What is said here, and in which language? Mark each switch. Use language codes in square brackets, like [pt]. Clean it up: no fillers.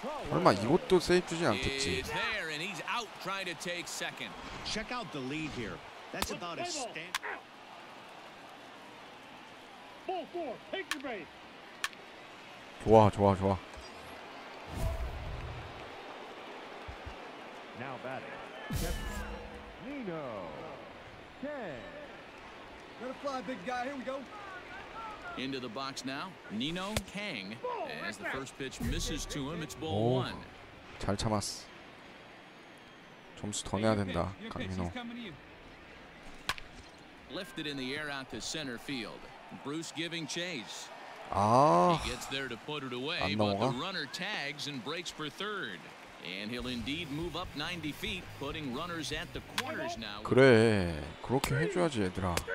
[ko] 얼마 이것도 세이프 주지 않겠지. [en] There and he's out trying to take second. Check out the lead here. That's about a stand. Ball four. Take your base. [ko] 좋아, 좋아, 좋아. [en] Now batting. Nino. Okay. Gonna fly, big guy. Here we go. Into the box now, Nino Kang. As the first pitch misses to him, it's ball one. [ko] 잘 참았어. 점수 더 내야 된다, 강민호. [en] Lifted in the air out to center field. Bruce giving chase. 아, he gets there to put it away, but the runner tags and breaks for third. And he'll indeed move up 90 feet, putting runners at the corners now. [ko] 그래, 그렇게 해줘야지, 얘들아.